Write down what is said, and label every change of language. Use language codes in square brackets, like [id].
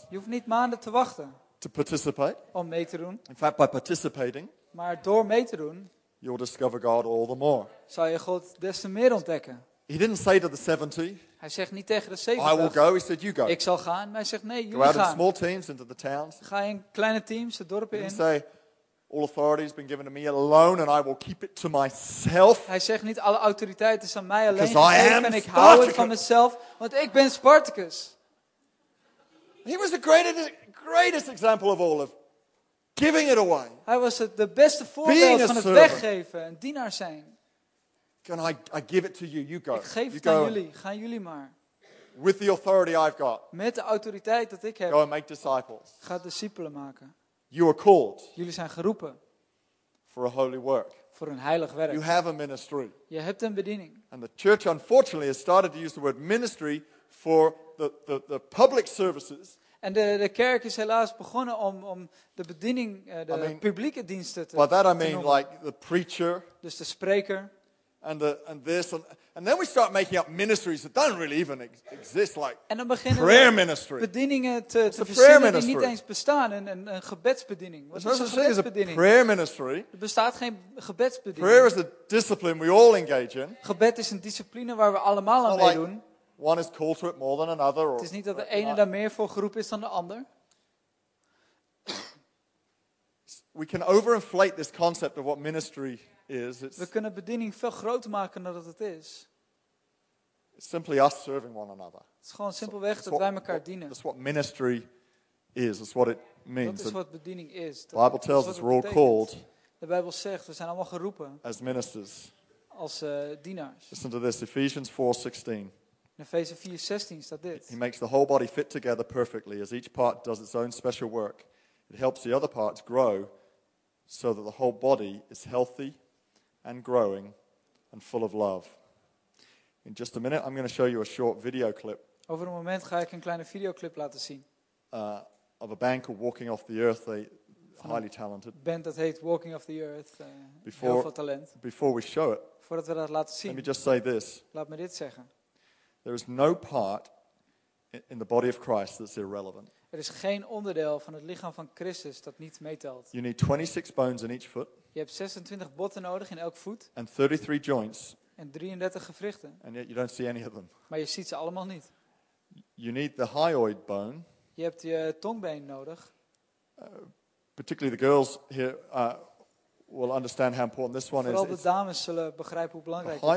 [nl] Je hoeft niet maanden te wachten. [en] To participate. [nl] Om mee te doen. [en] In fact, by participating. [nl] Maar door mee te doen. [en] You'll discover God all the more. [nl] Zou je God des te meer ontdekken. [en] He didn't say to the 70. [nl] Hij zegt niet tegen de 70. [en] I will go, he said, you go. [nl] Ik zal gaan, maar hij zegt nee, jullie [en] go [nl] gaan. [en] Go out in small teams into the towns. [nl] Ga in kleine teams, de dorpen in. [en] He say, all authority has been given to me alone and I will keep it to myself. [nl] Hij zegt niet, alle autoriteit is aan mij alleen. [en] Because I am [nl] en ik hou het van mezelf, want ik ben Spartacus. [en] He was the greatest example of all of giving it away. [nl] Hij was de beste voorbeeld van het weggeven en dienaar zijn. [en] Can I give it to you? You go. [nl] Ik geef [en] you [nl] het aan jullie. Gaan jullie maar. [en] With the authority I've got. [nl] Met de autoriteit dat ik heb. [en] Go and make disciples. [nl] Ga discipelen maken. [en] You are called. [nl] Jullie zijn geroepen. [en] For a holy work. [nl] voor een heilig werk. [en] You have a ministry. [nl] Je hebt een bediening. [en] And the church unfortunately has started to use the word ministry for the public services. [nl] En de kerk is helaas begonnen om de bediening, publieke diensten te noemen. [en] By that I mean like the preacher. [nl] Dus de spreker. [en] And then we start making up ministries that don't really even exist, like [nl] en dan beginnen [en] prayer ministry. [nl] Bedieningen te verzinnen die niet eens bestaan, een gebedsbediening. Wat is een gebedsbediening? [en] Prayer ministry. [nl] Er bestaat geen gebedsbediening. [en] Prayer is a discipline we all engage in. [nl] Gebed is een discipline waar we allemaal aan meedoen. [en] One is called to it more than another. [nl] Het is niet dat de ene daar meer voor geroepen is dan de ander. [en] We can overinflate this concept of what ministry is. [nl] We kunnen bediening veel groter maken dan dat het is. [en] It's simply us serving one another. [nl] Het is gewoon simpelweg dat wij elkaar dienen. [en] That's what ministry is. That's what it means. [nl] Dat is wat bediening is. [en] The Bible tells us we're all called. [nl] De Bijbel zegt we zijn allemaal geroepen. [en] As ministers. [nl] Als dienaars. [en] Listen to this. Ephesians 4:16. [nl] In Efeze 4:16 staat dit. [en] He makes the whole body fit together perfectly as each part does its own special work. It helps the other parts grow so that the whole body is healthy and growing and full of love. In just a minute I'm going to show you a short video clip. [nl] Over een moment ga ik een kleine videoclip laten zien. [en] Of a band called Walking Off the Earth, highly talented. [nl] Band that heet Walking Off the Earth, heel veel talent. [en] Before we show it. [nl] Voordat we dat laten zien. [en] Let me just say this. [nl] Laat me dit zeggen. [en] There is no part in the body of Christ that's irrelevant. [nl] Er is geen onderdeel van het lichaam van Christus dat niet meetelt. [en] You need 26 bones in each foot. [nl] Je hebt 26 botten nodig in elk voet. [en] And 33 joints. [nl] En 33 gewrichten. [en] And yet you don't see any of them. [nl] Maar je ziet ze allemaal niet. [en] You need the hyoid bone. [nl] Je hebt je tongbeen nodig. [en] Particularly the girls here will understand how important this one is. [nl] Vooral de dames zullen begrijpen hoe belangrijk het is.